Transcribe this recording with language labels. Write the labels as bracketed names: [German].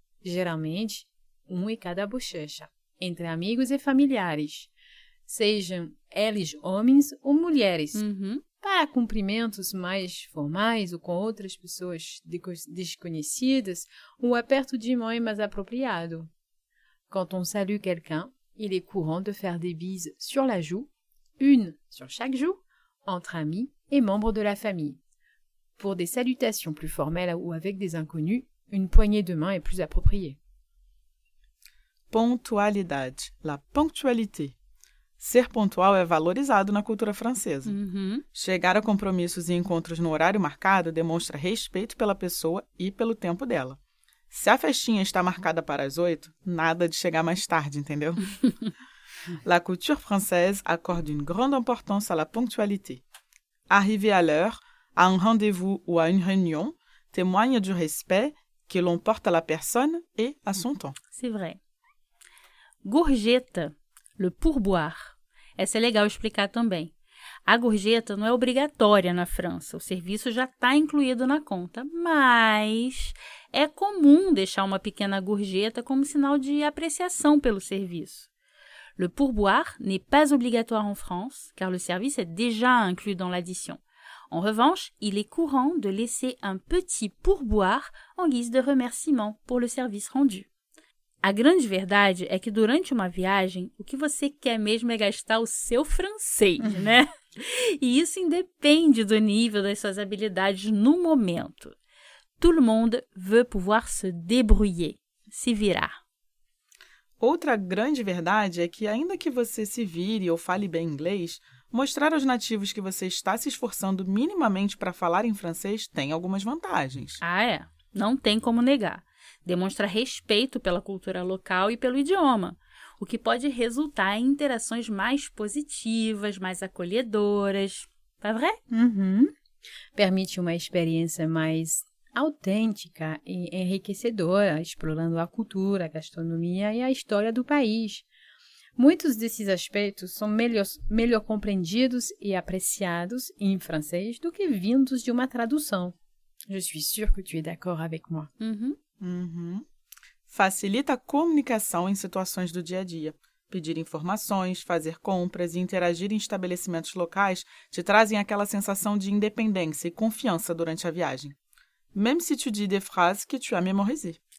[Portuguese] Geralmente, um em cada bochecha, entre amigos e familiares. Sejam eles homens ou mulheres. Uhum. Para cumprimentos mais formais ou com outras pessoas desconhecidas, o aperto de mão é mais apropriado. [French] Quand on salue quelqu'un, il est courant de faire des bises sur la joue, une sur chaque joue, entre amis et membres de la famille. Pour des salutations plus formelles ou avec des inconnus, une poignée de main est plus appropriée. [Portuguese] Pontualidade, la ponctualité. Ser pontual é valorizado na cultura francesa. Uhum. Chegar a compromissos e encontros no horário marcado demonstra respeito pela pessoa e pelo tempo dela. Se a festinha está marcada para as 8, nada de chegar mais tarde, entendeu? [French] La culture française accorde une grande importance à la ponctualité. Arriver à l'heure, à un rendez-vous ou à une réunion, témoigne du respect que l'on porte à la personne et à son temps. C'est vrai. Gorjeta. Le pourboire. [Portuguese] Essa é legal explicar também. A gorjeta não é obrigatória na França. O serviço já está incluído na conta. Mas é comum deixar uma pequena gorjeta como sinal de apreciação pelo serviço. [French] Le pourboire n'est pas obligatoire en France, car le service est déjà inclus dans l'addition. En revanche, il est courant de laisser un petit pourboire en guise de remerciement pour le service rendu. [Portuguese] A grande verdade é que durante uma viagem, o que você quer mesmo é gastar o seu francês, né? E isso independe do nível das suas habilidades no momento. [French] Tout le monde veut pouvoir se débrouiller, [Portuguese] se virar. Outra grande verdade é que, ainda que você se vire ou fale bem inglês, mostrar aos nativos que você está se esforçando minimamente para falar em francês tem algumas vantagens. Ah, é? Não tem como negar. Demonstra respeito pela cultura local e pelo idioma, o que pode resultar em interações mais positivas, mais acolhedoras. Tá vrai? Uhum. Permite uma experiência mais autêntica e enriquecedora, explorando a cultura, a gastronomia e a história do país. Muitos desses aspectos são melhor compreendidos e apreciados em francês do que vindos de uma tradução. [French] Je suis sûr que tu es d'accord avec moi. Uhum. Uhum. [Portuguese] Facilita a comunicação em situações do dia a dia. Pedir informações, fazer compras e interagir em estabelecimentos locais te trazem aquela sensação de independência e confiança durante a viagem. [French] Même si tu dis des phrases que tu as mémorisées.